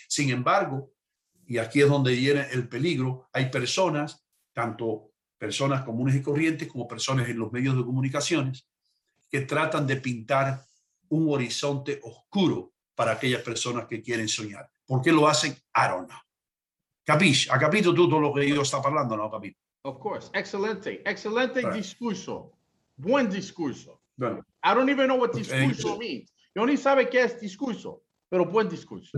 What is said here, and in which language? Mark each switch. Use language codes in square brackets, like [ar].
[es] Sin embargo, y aquí es donde viene el peligro, hay personas, tanto personas comunes y corrientes como personas en los medios de comunicaciones, que tratan de pintar un horizonte oscuro para aquellas personas que quieren soñar. ¿Por qué lo hacen? [en] I don't know. [es] ¿Capis? ¿A capito tú todo lo que yo está hablando, no, Capis? [en] Of course. [es] Excelente. Excelente right. Discurso. Buen discurso. [en] Right. I don't even know what discurso means. [es] Yo ni sabe qué es discurso, pero buen discurso.